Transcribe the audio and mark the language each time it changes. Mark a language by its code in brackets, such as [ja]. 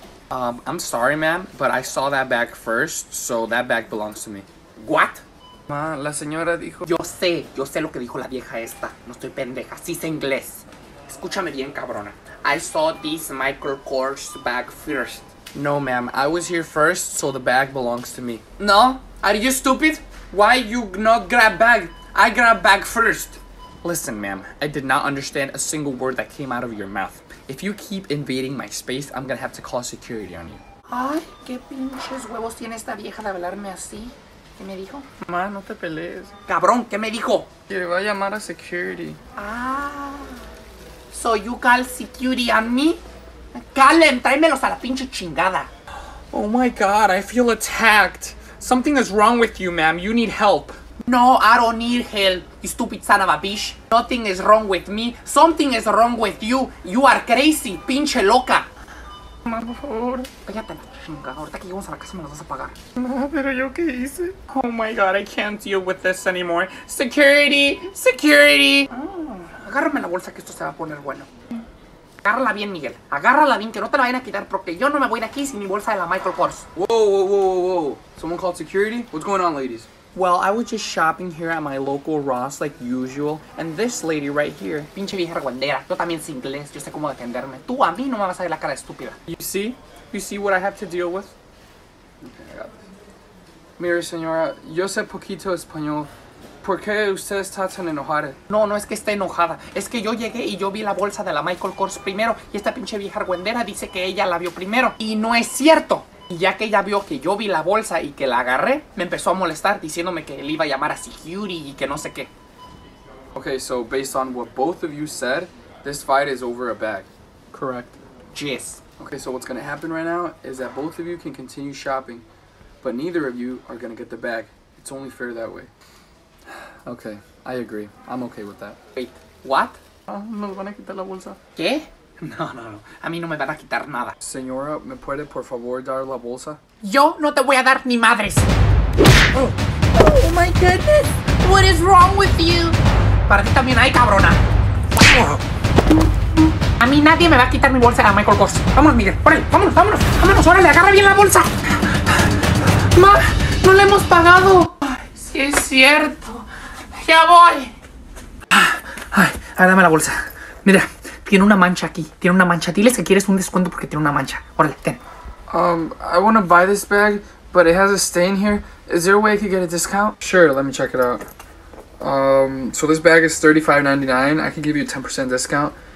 [en] I'm sorry, ma'am, but I saw that bag first, so that bag belongs to me. What? [es] Ma, la señora dijo... Yo sé lo que dijo la vieja esta. No estoy pendeja, sí sé inglés. Escúchame bien, cabrona. [en] I saw this Michael Kors bag first. No, ma'am, I was here first, so the bag belongs to me. No? Are you stupid? Why you not grab bag? I grab bag first. Listen, ma'am, I did not understand a single word that came out of your mouth. If you keep invading my space, I'm gonna have to call security on you. [es] Ay, qué pinches huevos tiene esta vieja de hablarme así. ¿Qué me dijo? Ma, no te pelees. Cabrón, ¿qué me dijo? Que va a llamar a security. [en] Ah, so you call security on me? [es] Calen, tráemelos a la pinche chingada. [en] Oh my god, I feel attacked. Something is wrong with you, ma'am. You need help. No, I don't need help, you stupid son of a bitch. Nothing is wrong with me. Something is wrong with you. You are crazy, [es] pinche loca. Ma, por favor. Cállate, chinga. Ahorita que llegamos a la casa me las vas a pagar. Ma, pero ¿yo qué hice? [en] Oh my god, I can't deal with this anymore. Security, security. [es] Oh, agárrame la bolsa que esto se va a poner bueno. Agárrala bien, Miguel. Agárrala bien, que no te la vayan a quitar porque yo no me voy de aquí sin mi bolsa de la Michael Kors. [en] Whoa. Someone called security? What's going on, ladies? Well, I was just shopping here at my local Ross like usual, and this lady right here... [es] Pinche vieja reguendera, yo también sé inglés, yo sé cómo defenderme. Tú a mí no me vas a ver la cara de estúpida. [en] You see what I have to deal with? Okay, I got this. [es] Mire, señora, yo sé poquito español. ¿Por qué usted está tan enojada? No es que esté enojada. Es que yo llegué y yo vi la bolsa de la Michael Kors primero, y esta pinche vieja reguendera dice que ella la vio primero. ¡Y no es cierto! Y ya que ella vio que yo vi la bolsa y que la agarré, me empezó a molestar diciéndome que él iba a llamar a security y que no sé qué. [en] Okay, so based on what both of you said, this fight is over a bag. Correct. Yes. Okay, so what's going to happen right now is that both of you can continue shopping, but neither of you are going to get the bag. It's only fair that way. Okay, I agree. I'm okay with that. Wait, what? [es] Nos van a quitar la bolsa. ¿Qué? No. A mí no me van a quitar nada. Señora, ¿me puede por favor dar la bolsa? Yo no te voy a dar ni madres. [en] Oh my goodness. What is wrong with you? [es] Para ti también hay, cabrona. A mí nadie me va a quitar mi bolsa de la Michael Kors. Vamos, Miguel, órale, vámonos. Órale, agarra bien la bolsa. Ma, no la hemos pagado. Ay, sí es cierto. Ya voy. Ay, dame la bolsa. Mira. Tiene una mancha aquí. Tiene una mancha. Diles que quieres un descuento porque tiene una mancha. Órale, ten. [en] I want to buy this bag, but it has a stain here. Is there a way I could get a discount? Sure, let me check it out. So this bag is $35.99. I can give you a 10% discount.